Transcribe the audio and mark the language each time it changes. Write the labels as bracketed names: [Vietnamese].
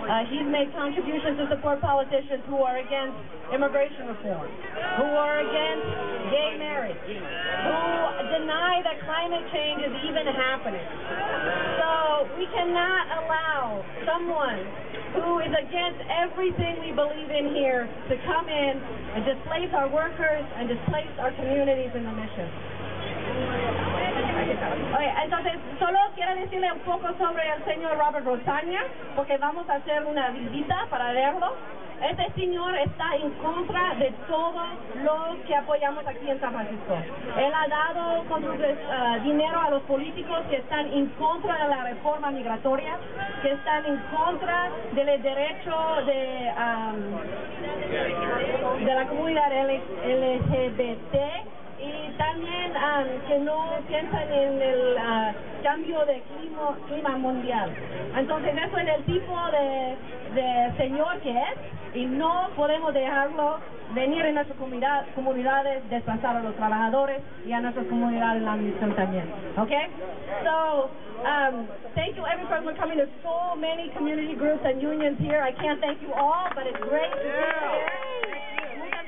[English] He's made contributions to support politicians who are against immigration reform, who are against gay marriage, who deny that climate change is even happening. So we cannot allow someone who is against everything we believe in here to come in and displace our workers and displace our communities in the mission. [Spanish] Okay, entonces, solo quiero decirle un poco sobre el señor Robert Rosania, porque vamos a hacer una visita para verlo. Este señor está en contra de todo lo que apoyamos aquí en San Francisco. Él ha dado con su dinero a los políticos que están en contra de la reforma migratoria, que están en contra del derecho de la comunidad LGBT, y también que no piensan en el cambio de clima mundial. Entonces, eso es el tipo de señor que es, y no podemos dejarlo venir en nuestras comunidades, desplazar a los trabajadores y a nuestras comunidades en la misión también. [English] Okay? So, thank you everyone for coming to so many community groups and unions here. I can't thank you all, but it's great to be here.